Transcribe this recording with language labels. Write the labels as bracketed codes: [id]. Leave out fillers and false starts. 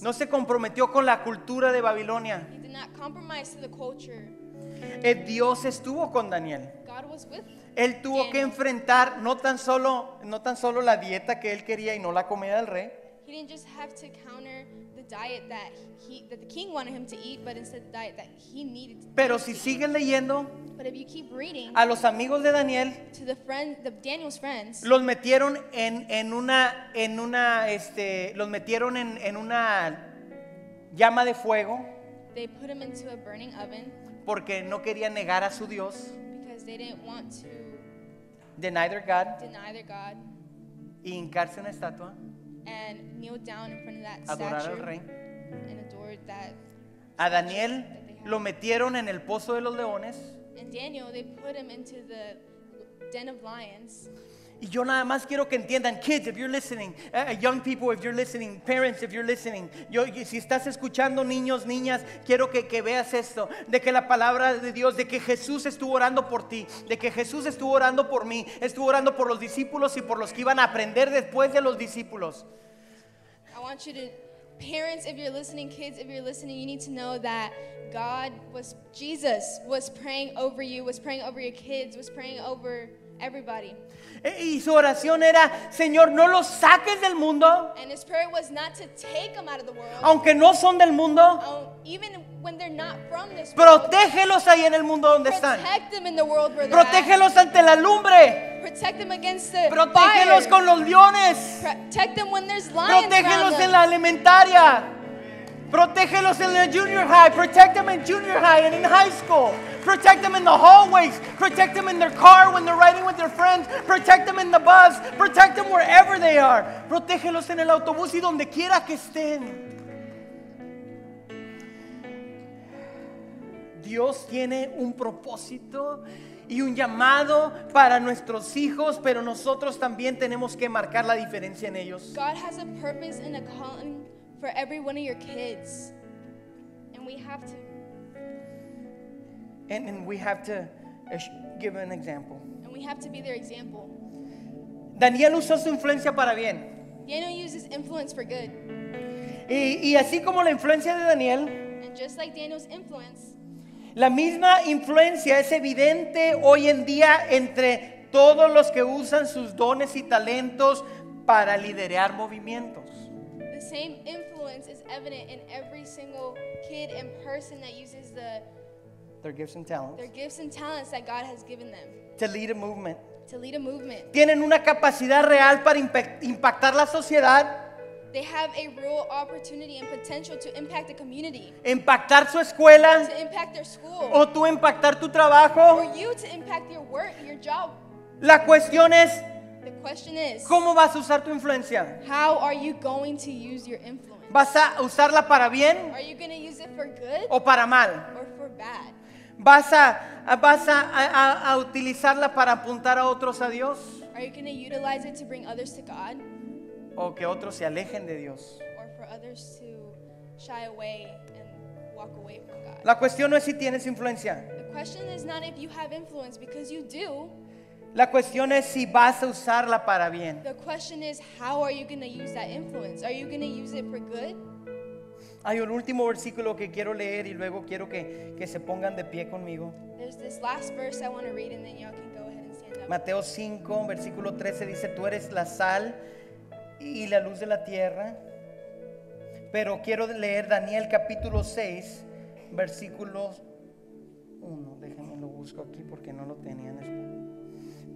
[es] No se comprometió con la cultura de Babilonia. [en] He did not compromise to the culture. [es] El Dios estuvo con Daniel. [en] God was with [es] él tuvo [en] Daniel. [es] Que enfrentar no tan solo la dieta que él quería y no la comida del rey. [en] He didn't just have to counter the diet that the king wanted him to eat, but instead the diet that he needed to eat. [es] Pero si siguen leyendo, [en] but if you keep reading, [es] a los amigos de Daniel, [en] to the friend, the Daniel's friends, [es] los metieron en una llama de fuego. [en] They put him into a burning oven. [es] Porque no querían negar a su Dios. [en] Because they didn't want to deny their God. Deny their God. [es] Y hincarse una estatua. [en] And kneel down in front of that [es] adorar [en] statue [es] al rey. [en] And adored that [es] a Daniel that lo metieron en el pozo de los leones. [en] And Daniel, they put him into the den of lions. [es] Y yo nada más quiero que entiendan, [en] kids, if you're listening, [es] young people, if you're listening, parents, if you're listening, yo, si estás escuchando, niños, niñas, quiero que veas esto, de que la palabra de Dios, de que Jesús estuvo orando por ti, de que Jesús estuvo orando por mí, estuvo orando por los discípulos y por los que iban a aprender después de los discípulos. [en] I want you to, parents, if you're listening, kids, if you're listening, you need to know that God was, Jesus was praying over you, was praying over your kids, was praying over everybody. [es] Y su oración era, Señor, no los saques del mundo. [en] And his prayer was not to take them out of the world. [es] Aunque no son del mundo. [en] Even when they're not from this world. [es] Protégelos ahí en el mundo donde están. [en] Protect them in the world where [es] protégelos [en] they're [es] ante la lumbre. [en] Protect them against the [es] protégelos [en] fire. [es] Con los leones. [en] Protect them when there's lions. [es] Protégelos [en] around [es] en la elementaria. Protégelos en la junior high. [en] Protect them in junior high and in high school. Protect them in the hallways. Protect them in their car when they're riding with their friends. Protect them in the bus. Protect them wherever they are. [es] Protégelos en el autobús y donde quiera que estén. Dios tiene un propósito y un llamado para nuestros hijos, pero nosotros también tenemos que marcar la diferencia en ellos. [en] God has a purpose and a calling for every one of your kids. And we have to. And we have to give an example. And we have to be their example. [es] Daniel usó su influencia para bien. [en] Daniel uses influence for good. [es] Y así como la influencia de Daniel. [en] And just like Daniel's influence. [es] La misma influencia es evidente hoy en día entre todos los que usan sus dones y talentos para liderar movimientos. [en] The same influence is evident in every single kid and person that uses their gifts and talents. Their gifts and talents that God has given them. To lead a movement. To lead a movement. [es] Tienen una capacidad real para impactar la sociedad. [en] They have a real opportunity and potential to impact the community. [es] Impactar su escuela. [en] To impact their school. [es] O tú impactar tu trabajo. [en] Or you to impact your work, your job. [es] La cuestión es, [en] the question is, [es] ¿cómo vas a usar tu influencia? [en] How are you going to use your influence? [es] ¿Vas a usarla para bien? [en] Are you going to use it for good? [es] ¿O para mal? [en] Or for bad? [es] ¿Vas a utilizarla para apuntar a otros a Dios? [en] Are you going to utilize it to bring others to God? [es] ¿O que otros se alejen de Dios? [en] Or for others to shy away and walk away from God? [es] La cuestión no es si tienes influencia. [en] The question is not if you have influence, because you do. [es] La cuestión es si vas a usarla para bien. [en] The question is, how are you going to use that influence? Are you going to use it for good? [es] Hay un último versículo que quiero leer y luego quiero que se pongan de pie conmigo. [en] There's this last verse I want to read and then y'all can go ahead and stand up. [es] Mateo 5, versículo 13 dice, tú eres la sal y la luz de la tierra. Pero quiero leer Daniel capítulo 6, versículo 1. Déjenme lo busco aquí porque no lo tenía en español.